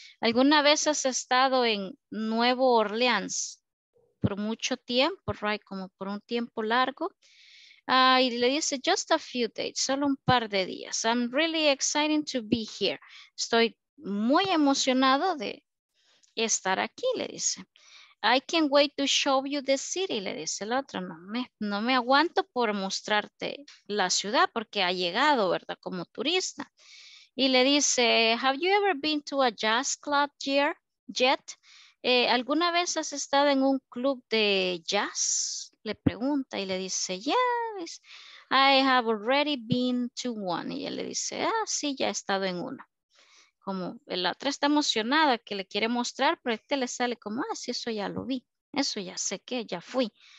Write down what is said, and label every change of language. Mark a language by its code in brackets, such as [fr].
[es] ¿Alguna vez has estado en Nuevo Orleans por mucho tiempo, right? Como por un tiempo largo. Y le dice, [en] just a few days, [es] solo un par de días. [en] I'm really excited to be here. [es] Estoy muy emocionado de estar aquí, le dice. [en] I can't wait to show you the city, [es] le dice el otro. No me aguanto por mostrarte la ciudad porque ha llegado, ¿verdad? Como turista. Y le dice, [en] have you ever been to a jazz club yet? [es] ¿Alguna vez has estado en un club de jazz? Le pregunta y le dice, [en] yes, I have already been to one. [es] Y él le dice, ah, sí, ya he estado en uno. Como la otra está emocionada que le quiere mostrar, pero este le sale como, ah, sí, eso ya lo vi, eso ya sé que ya fui.